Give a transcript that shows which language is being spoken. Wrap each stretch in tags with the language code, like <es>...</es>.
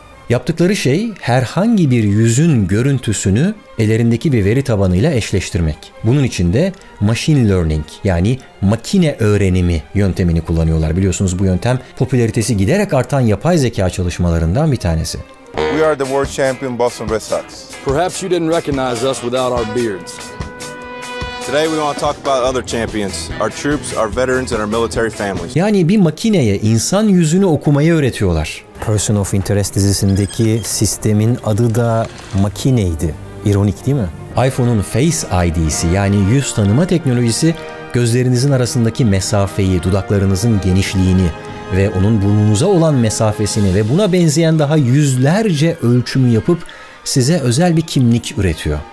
<tr>Yaptıkları şey herhangi bir yüzün görüntüsünü ellerindeki bir veri tabanıyla eşleştirmek. Bunun için de machine learning, yani makine öğrenimi yöntemini kullanıyorlar. Biliyorsunuz bu yöntem popülaritesi giderek artan yapay zeka çalışmalarından bir tanesi.</tr> <en>We are the world champion Boston Red Sox. Perhaps you didn't recognize us without our beards. Today we want to talk about other champions, our troops, our veterans and our military families.</en> <tr>Yani bir makineye insan yüzünü okumayı öğretiyorlar. Person of Interest dizisindeki sistemin adı da makineydi. İronik değil mi? iPhone'un Face ID'si, yani yüz tanıma teknolojisi, gözlerinizin arasındaki mesafeyi, dudaklarınızın genişliğini ve onun burnunuza olan mesafesini ve buna benzeyen daha yüzlerce ölçümü yapıp size özel bir kimlik üretiyor.</tr>